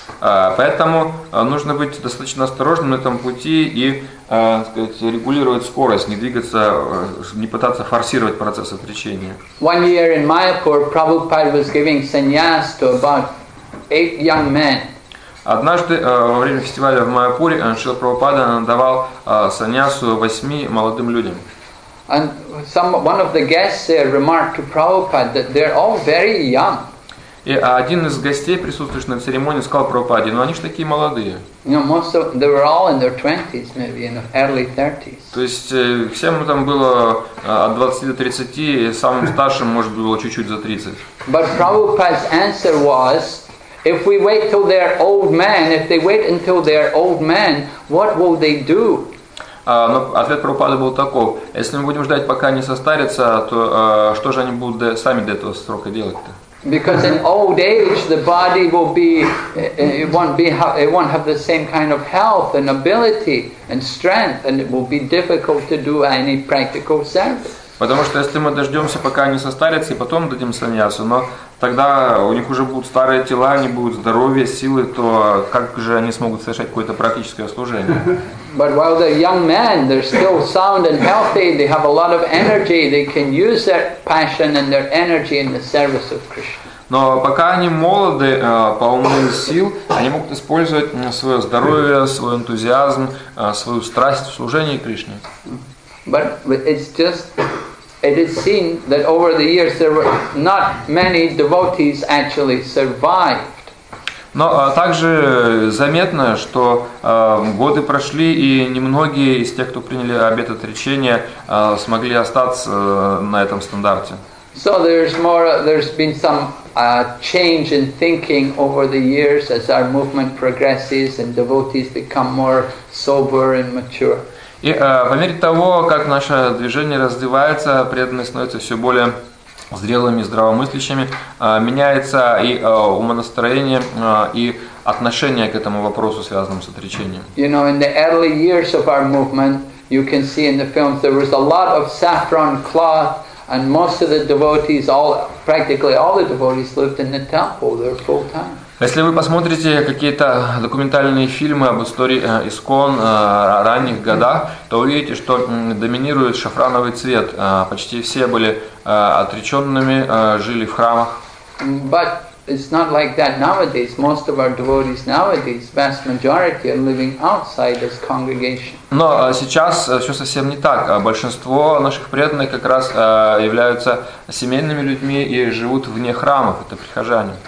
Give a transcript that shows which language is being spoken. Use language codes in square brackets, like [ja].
[ru] Поэтому нужно быть достаточно осторожным на этом пути и, так сказать, регулировать скорость, не двигаться, не пытаться форсировать процесс отречения. [en] One year in Mayapur, Prabhupada was giving sannyas to about 8 young men. [ru] Однажды во время фестиваля в Майяпуре Шрила Прабхупада давал саньясу 8 молодым людям. [en] And one of the guests there remarked to Prabhupada that they're all very young. [ru] И один из гостей, присутствующих на церемонии, сказал Прабхупаде: "Ну они ж такие молодые". [en] They were all in their 20s, maybe in early 30s. [ru] То есть всем там было от 20 до 30, и самым старшим, может быть, было чуть-чуть за 30. [en] But Prabhupada's answer was: if we wait till they're old men, if they wait until they're old men, what will they do? [ru] Но ответ Прабхупады был таков: если мы будем ждать, пока они состарятся, то что же они будут сами до этого срока делать-то? [en] Because in old age the body will be, it won't have the same kind of health and ability and strength, and it will be difficult to do any practical service. [ru] Потому что если мы дождемся, пока они состарятся, и потом дадим саньясу, но тогда у них уже будут старые тела, они будут здоровье, силы, то как же они смогут совершать какое-то практическое служение? [en] But while they're young men, they're still sound and healthy, they have a lot of energy, they can use their passion and their energy in the service of Krishna. [ru] Но пока они молоды, полны сил, они могут использовать свое здоровье, свой энтузиазм, свою страсть в служении Кришне. [en] But it's just, it is seen that over the years there were not many devotees actually survived. [ru] Но также заметно, что годы прошли, и немногие из тех, кто приняли обет отречения, смогли остаться на этом стандарте. [en] So there's been some change in thinking over the years as our movement progresses and devotees become more sober and mature. [ru] И по мере того, как наше движение развивается, преданные становятся все более зрелыми, здравомыслящими, меняется и умонастроение, и отношение к этому вопросу, связанному с отречением. [en] You know, in the early years of our movement, you can see in the films, there was a lot of saffron cloth, and most of the devotees, practically all the devotees, lived in the temple, they're full-time. [ru] Если вы посмотрите какие-то документальные фильмы об истории ИСККОН ранних годах, то увидите, что доминирует шафрановый цвет. Почти все были отреченными, жили в храмах. [en] But it's not like that nowadays. Most of our devotees nowadays, vast majority are living outside this congregation. [ru] Но сейчас все совсем не так. Большинство наших преданных как раз являются семейными людьми и живут вне храмов, это прихожане.